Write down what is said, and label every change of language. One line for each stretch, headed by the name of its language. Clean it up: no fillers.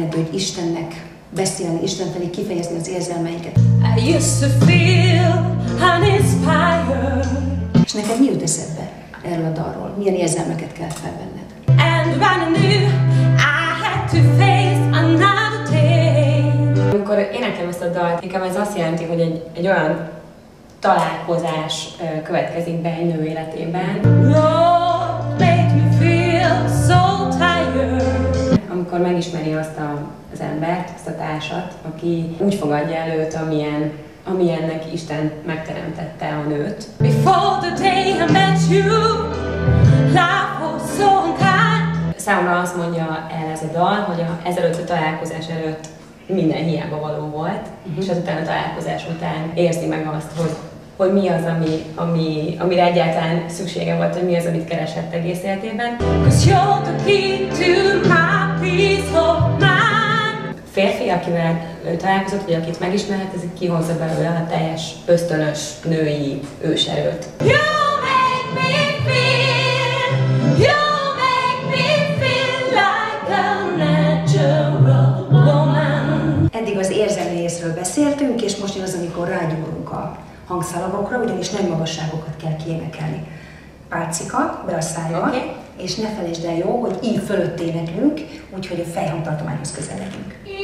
Hungarian: Istennek beszélni, Isten felé kifejezni az érzelmeinket.
English: I used to feel uninspired.
Hungarian: És neked mi jut eszedbe erről a dalról? Milyen érzelmeket kell felvenned?
English: And when I knew I had to face another day.
Hungarian: Amikor énekelem ezt a dalt, nekem ez azt jelenti, hogy egy olyan találkozás következik be egy nő életében.
English: Lord made me feel so tired.
Hungarian: Amikor megismeri azt az embert, azt a társat, aki úgy fogadja el őt, amilyennek Isten megteremtette a nőt.
English: Before the day I met you, life was so unkind.
Hungarian: Számomra azt mondja el ez a dal, hogy ezelőtt a találkozás előtt minden hiába való volt, és azután a találkozás után érzi meg azt, hogy mi az, amire egyáltalán szüksége volt, hogy mi az, amit keresett egész életében.
English: Cause you're the key to my peace of mind.
Hungarian: Férfi, akivel ő találkozott, vagy akit megismerhet, ez kihozza belőle a teljes ösztönös női őserőt.
English: You make me feel, you make me feel like a natural woman.
Hungarian: Eddig az érzelmi részről beszéltünk, és most jön az, amikor rágyúrunk a hangszalagokra, ugyanis nagy magasságokat kell kiénekelni. Pálcika, be a szájjal, okay. És ne felejtsd el, jó, hogy így fölött énekelünk, úgyhogy a fejhangtartományhoz közeledünk.